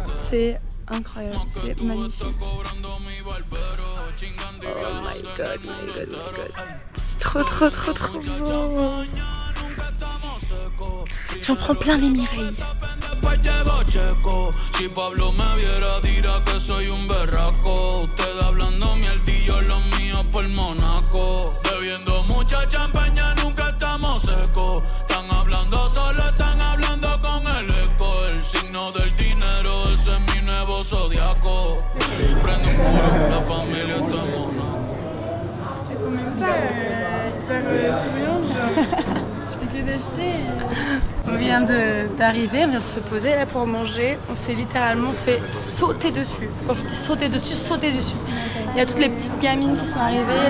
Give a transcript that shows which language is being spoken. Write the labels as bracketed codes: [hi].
[fr] C'est incroyable, c'est magnifique. [en] Oh my god, my god, my god. [fr] Trop beau. J'en prends plein les Mireilles. [es] Si Pablo me viera dirá que soy un berraco. Usted hablando mierdillo, lo mío por Monaco. Bebiendo mucha champaña, nunca estamos secos. Están hablando solo, están hablando con el eco. El signo del dinero, ese es mi nuevo zodiaco. Y prende un puro, la familia está en Monaco. [fr] Ils sont même pas souriants, genre. On vient d'arriver, on vient de se poser là pour manger. On s'est littéralement fait sauter dessus. Quand je dis sauter dessus, sauter dessus. Il y a toutes les petites gamines qui sont arrivées.